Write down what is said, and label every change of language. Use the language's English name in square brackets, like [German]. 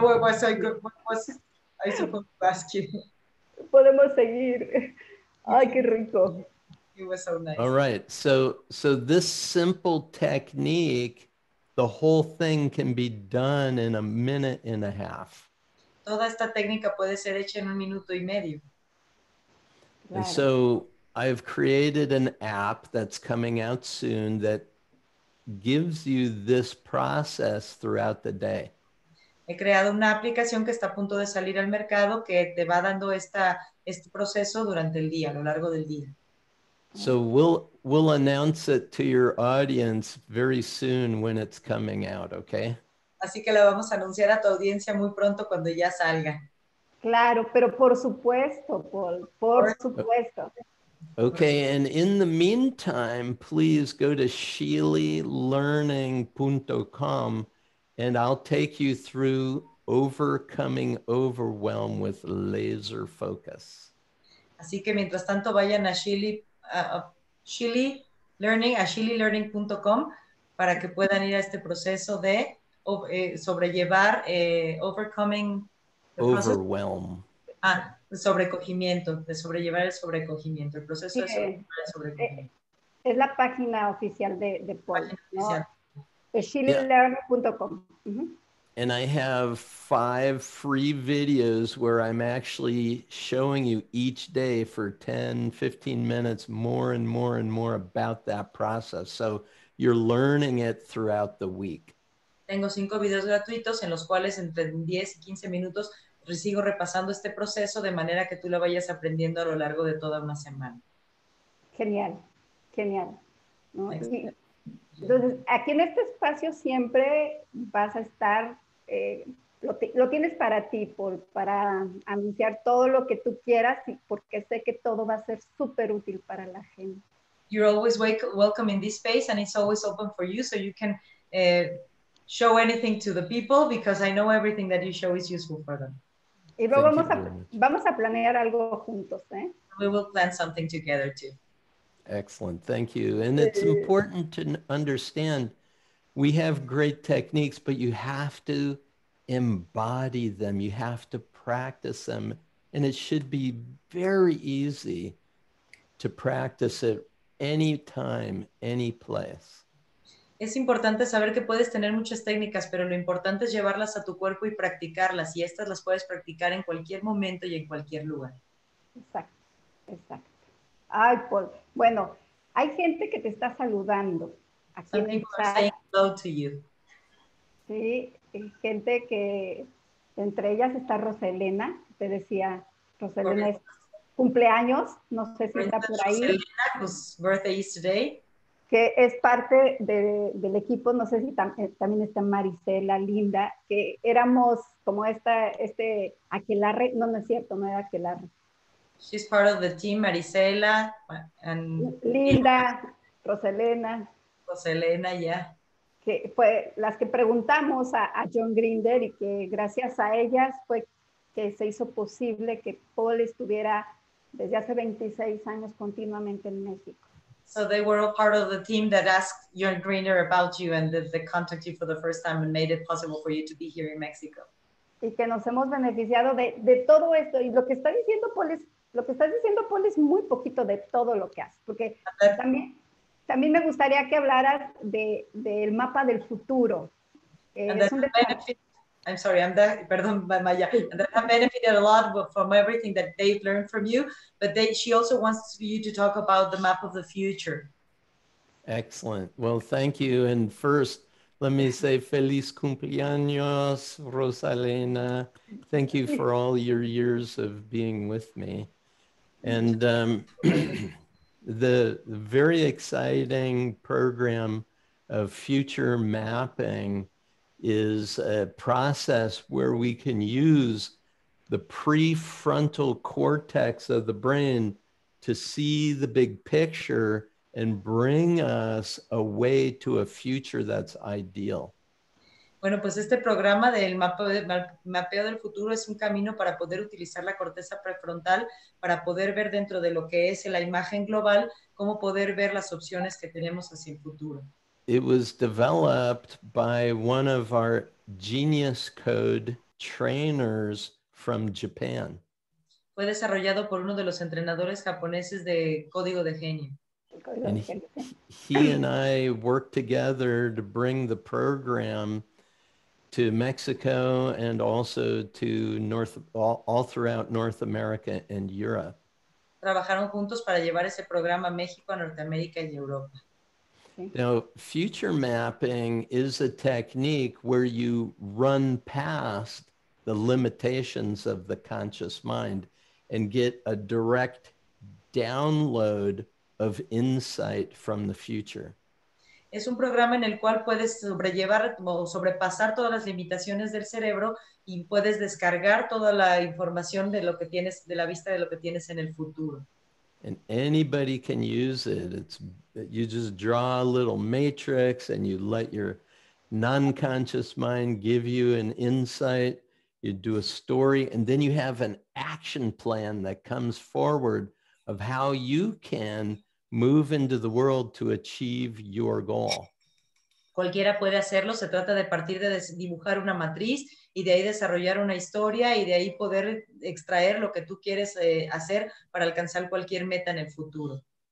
[Spanish] podemos seguir. Ay, qué rico. [English] All right, so this simple technique, the whole thing can be done in a minute and a half. [Spanish] Toda esta técnica puede ser hecha en un minuto y medio. [English] And so I've created an app that's coming out soon that gives you this process throughout the day. [Spanish] He creado una aplicación que está a punto de salir al mercado que te va dando este proceso durante el día, a lo largo del día. [English] So we'll announce it to your audience very soon when it's coming out, okay? [Spanish] Así que la vamos a anunciar a tu audiencia muy pronto cuando ya salga. Claro, pero por supuesto, Paul, por supuesto. [English] Okay, and in the meantime, please go to SheelyLearning.com and I'll take you through Overcoming Overwhelm with Laser Focus. [Spanish] Así que mientras tanto vayan a SheelyLearning.com para que puedan ir a este proceso de sobrellevar [English] overcoming overwhelm. [Spanish] Sobrecogimiento, de sobrellevar el sobrecogimiento, el proceso de sobrecogimiento. Es la página oficial de Paul, ¿no? SheelyLearning.com. [English] And I have 5 free videos where I'm actually showing you each day for 10, 15 minutes more and more and more about that process. So you're learning it throughout the week. [Spanish] Tengo 5 videos gratuitos en los cuales entre 10 y 15 minutos sigo repasando este proceso de manera que tú lo vayas aprendiendo a lo largo de toda una semana. Genial, genial. Entonces, aquí en este espacio siempre vas a estar, lo tienes para ti, para anunciar todo lo que tú quieras, porque sé que todo va a ser súper útil para la gente. [English] You're always welcome in this space and it's always open for you, so you can show anything to the people because I know everything that you show is useful for them. [Spanish] Y luego vamos a planear algo juntos, ¿eh? [English] We will plan something together too. Excellent, thank you. And it's important to understand we have great techniques, but you have to embody them. You have to practice them. And it should be very easy to practice it anytime, any place. [Spanish] Es importante saber que puedes tener muchas técnicas, pero lo importante es llevarlas a tu cuerpo y practicarlas. Y estas las puedes practicar en cualquier momento y en cualquier lugar. Exacto. Ay, Paul. Bueno, hay gente que te está saludando. Aquí [English] some people está... are saying hello to you. [Spanish] Sí, gente que, entre ellas está Roselena, te decía. Roselena es cumpleaños, no sé si está por ahí. [English] Roselena, whose birthday is today. [Spanish] Que es parte del equipo, no sé si también está Marisela, Linda, que éramos como este aquelarre, no es cierto, no era aquelarre. [English] She's part of the team, Marisela and Linda, Roselena. Roselena, yeah. [Spanish] Que fue las que preguntamos a John Grinder y que gracias a ellas fue que se hizo posible que Paul estuviera desde hace 26 años continuamente en México. [English] So they were all part of the team that asked John Grinder about you and that they contacted you for the first time and made it possible for you to be here in Mexico. [Spanish] Y que nos hemos beneficiado de todo esto y lo que está diciendo Paul es lo que estás diciendo, Paul, es muy poquito de todo lo que haces, porque también me gustaría que hablaras del mapa del futuro. Maya. [English] And then I benefited a lot from everything that they've learned from you, but she also wants you to talk about the map of the future. Excellent. Well, thank you. And first, let me say [Spanish] feliz cumpleaños, [English] Rosalena. Thank you for all your years of being with me. And the very exciting program of future mapping is a process where we can use the prefrontal cortex of the brain to see the big picture and bring us a way to a future that's ideal. [Spanish] Bueno, pues este programa del mapeo del futuro es un camino para poder utilizar la corteza prefrontal para poder ver dentro de lo que es la imagen global cómo poder ver las opciones que tenemos hacia el futuro. [English] It was developed by one of our Genius Code trainers from Japan. [Spanish] Fue desarrollado por uno de los entrenadores japoneses de Código de Genio. [English] And he and I worked together to bring the program to Mexico and also to all throughout North America and Europe. [Spanish] Trabajaron juntos para llevar ese programa a México, a Norteamérica y Europa. [English] Now, future mapping is a technique where you run past the limitations of the conscious mind and get a direct download of insight from the future. [Spanish] Es un programa en el cual puedes sobrellevar o sobrepasar todas las limitaciones del cerebro y puedes descargar toda la información de lo que tienes de la vista de lo que tienes en el futuro. [English] And anybody can use it. It's you just draw a little matrix and you let your non-conscious mind give you an insight, you do a story, and then you have an action plan that comes forward of how you can move into the world to achieve your goal. [Spanish] Cualquiera puede hacerlo, se trata de partir de dibujar una matriz y de ahí desarrollar una historia y de ahí poder extraer lo que tú quieres hacer para alcanzar cualquier meta en el futuro.